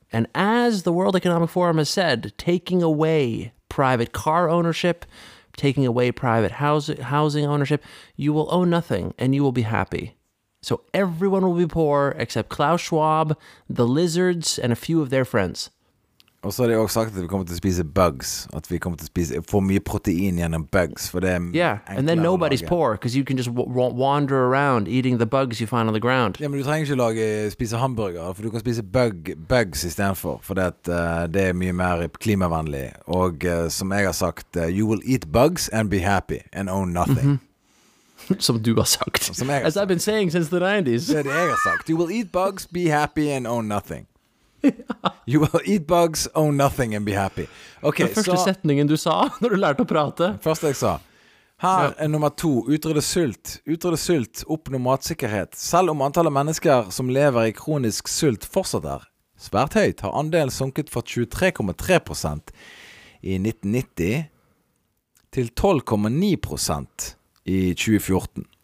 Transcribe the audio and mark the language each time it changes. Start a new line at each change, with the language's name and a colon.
English: And as the World Economic Forum has said, taking away private car ownership, taking away private housing ownership, you will own nothing and you will be happy. So everyone will be poor except Klaus Schwab, the lizards, and a few of their friends.
Norwegian: Og så har de også sagt at vi kommer til å spise bugs, at vi kommer til å spise for mye protein gjennom bugs, for det enklere å lage.
English: Yeah, and then nobody's poor, because you can just wander around eating the bugs you find on the ground.
Norwegian: Ja, men du trenger ikke lage, spise hamburger, for du kan spise bugs i stedet for det, at, det er mye mer klimavennlig. Og som jeg har sagt,
English: you will eat bugs and be happy and own nothing. Mm-hmm.
Norwegian: Som du har sagt. Som jeg har
English: sagt. As I've been saying since the 90s.
Norwegian: Det er det jeg har sagt.
English: You will eat bugs, be happy and own nothing. You will eat bugs, own nothing and be happy. Okay,
Norwegian: den første setningen du sa når du lærte å prate. Første jeg sa. Her er nummer to. Utrydde sult. Utrydde sult. Oppnå matsikkerhet. Selv om antallet mennesker som lever i kronisk sult fortsatt er svært høyt, har andelen sunket fra 23,3% i 1990 til 12,9% i 2014.